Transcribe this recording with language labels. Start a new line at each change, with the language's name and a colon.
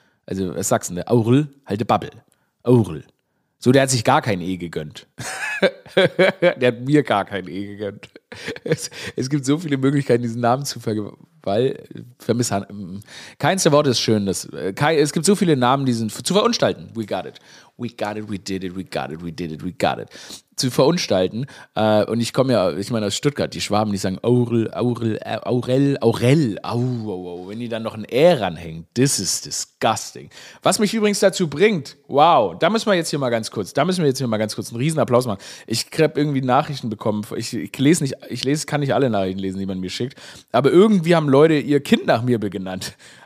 German: Also aus Sachsen, der Aurel halte Babbel, Aurel. So, der hat sich gar kein E gegönnt. Der hat mir gar kein E gegönnt. Es gibt so viele Möglichkeiten, diesen Namen zu vermisshandeln. Keins der Worte ist schön. Es gibt so viele Namen, die sind zu verunstalten.
English: We got it. We got it, we did it, we got it, we did it, we got it.
German: Zu verunstalten. Und ich komme ja, ich meine, aus Stuttgart, die Schwaben, die sagen Aurel. Au, au, au. Wenn die dann noch ein Ä ranhängt,
English: this is disgusting.
German: Was mich übrigens dazu bringt, wow, da müssen wir jetzt hier mal ganz kurz einen Riesenapplaus machen. Ich habe irgendwie Nachrichten bekommen, ich kann nicht alle Nachrichten lesen, die man mir schickt, aber irgendwie haben Leute ihr Kind nach mir benannt.